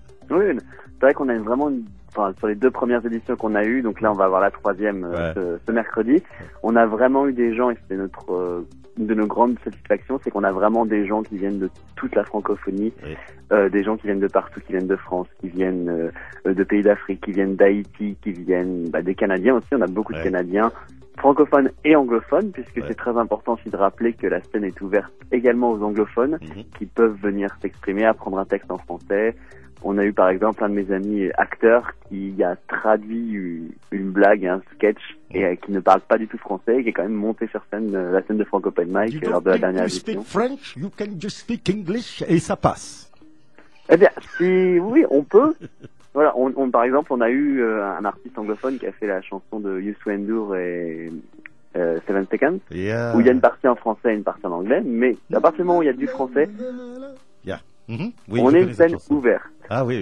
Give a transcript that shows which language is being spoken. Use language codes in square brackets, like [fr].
[fr] Oui, c'est vrai qu'on a vraiment, sur les deux premières éditions qu'on a eues, donc là on va avoir la troisième ce mercredi, on a vraiment eu des gens, et c'est notre une de nos grandes satisfactions, c'est qu'on a vraiment des gens qui viennent de toute la francophonie, des gens qui viennent de partout, qui viennent de France, qui viennent de pays d'Afrique, qui viennent d'Haïti, qui viennent des Canadiens aussi, on a beaucoup de Canadiens, francophones et anglophones, puisque c'est très important aussi de rappeler que la scène est ouverte également aux anglophones, qui peuvent venir s'exprimer, apprendre un texte en français. On a eu par exemple un de mes amis acteurs qui a traduit une blague, un sketch, et qui ne parle pas du tout français, et qui est quand même monté sur scène, la scène de Franco Open Mic lors de la dernière édition. [en] You speak French, you can just speak English, [fr] et ça passe. Eh bien, oui, on peut. Voilà, on par exemple, on a eu un artiste anglophone qui a fait la chanson de Youssou N'Dour et 7 Seconds, où il y a une partie en français et une partie en anglais, mais à partir du moment où il y a du français, oui, on est une scène ouverte. Ah oui,